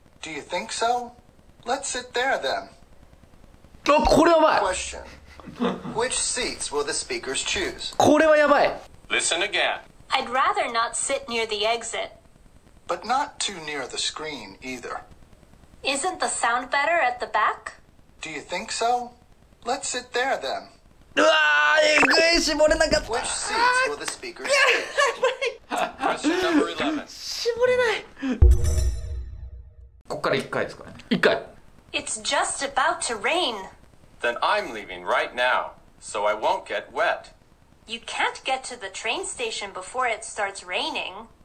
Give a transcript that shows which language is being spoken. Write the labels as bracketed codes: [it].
[en] Do you think so? Let's sit there then. Question. Which seats will the speakers choose? [ja] これはやばい。 [en] Listen again. I'd rather not sit near the exit. But not too near the screen either. Isn't the sound better at the back? Do you think so? Let's sit there then. [ja] うわー、えぐい、絞れなかった。 [en] Which seats will the speakers choose? Question number 11. [ja] 絞れない。ここから1回ですかね。 1回。 [en] It's just about to rain. Then I'm leaving right now, so I won't get wet. You can't get to the train station before it starts raining.